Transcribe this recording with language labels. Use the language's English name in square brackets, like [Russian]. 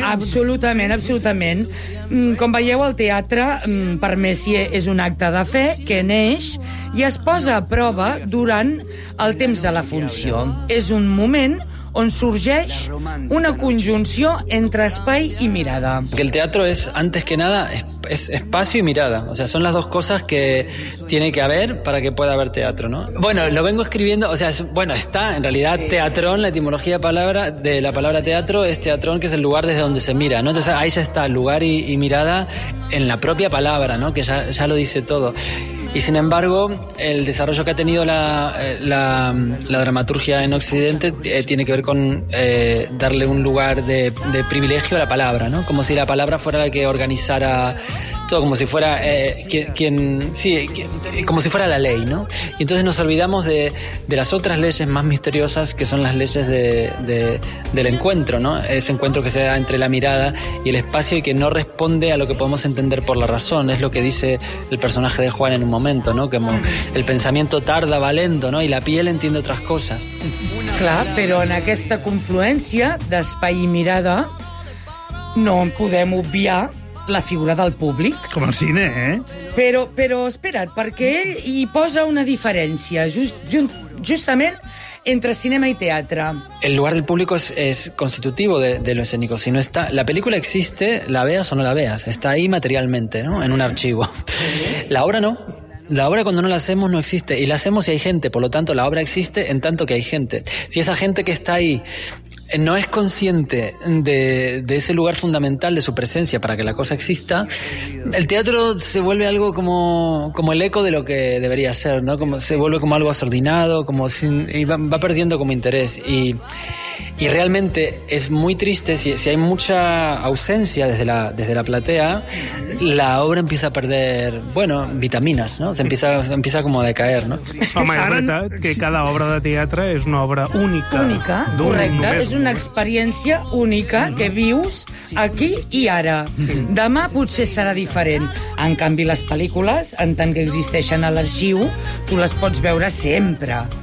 [Catalan] Absolutament. Com veieu, el teatre, per Messier, és un acte de fe que neix i es posa a prova durant el temps de la funció. És un moment on surgeix una conjunció entre espai i mirada. [Spanish] Que el teatro es, antes que nada, es espacio y mirada. O sea, son las dos cosas que tiene que haber para que pueda haber teatro, ¿no? Bueno, lo vengo escribiendo, o sea, está en realidad teatrón, la etimología de la palabra teatro es teatrón, que es el lugar desde donde se mira, ¿no? Entonces ahí ya está, lugar y mirada en la propia palabra, ¿no? Que ya lo dice todo. Y sin embargo, el desarrollo que ha tenido la dramaturgia en Occidente tiene que ver con darle un lugar de privilegio a la palabra, ¿no? Como si la palabra fuera la que organizara todo, como si fuera como si fuera la ley, ¿no? Y entonces nos olvidamos de las otras leyes más misteriosas, que son las leyes del encuentro, ¿no? Ese encuentro que se da entre la mirada y el espacio y que no responde a lo que podemos entender por la razón. Es lo que dice el personaje de Juan en un momento, ¿no? Como el pensamiento tarda, va lento, ¿no? Y la piel entiende otras cosas. [Catalan] Clar, però en aquesta confluència d'espai i mirada no en podem obviar la figura del públic. Com el cine, eh? Però espera't, perquè ell hi posa una diferència, justament entre cinema y teatro. [Spanish] El lugar del público es constitutivo de lo escénico. Si no está, la película existe, la veas o no la veas, está ahí materialmente, ¿no? En un archivo. La obra no. La obra cuando no la hacemos no existe, y la hacemos si hay gente, por lo tanto la obra existe en tanto que hay gente. Si esa gente que está ahí no es consciente de ese lugar fundamental de su presencia para que la cosa exista, el teatro se vuelve algo como el eco de lo que debería ser, ¿no? Como se vuelve como algo desordenado, va perdiendo como interés. Y realmente es muy triste si hay mucha ausencia desde la platea, la obra empieza a perder, bueno, vitaminas, ¿no? Se empieza como a decaer, ¿no? [Catalan] Home, és veritat que cada obra de teatre és una obra única. Única, correcte. És una experiència única que vius aquí i ara. Demà potser serà diferent. En canvi, les pel·lícules, en tant que existeixen a l'arxiu, tu les pots veure sempre.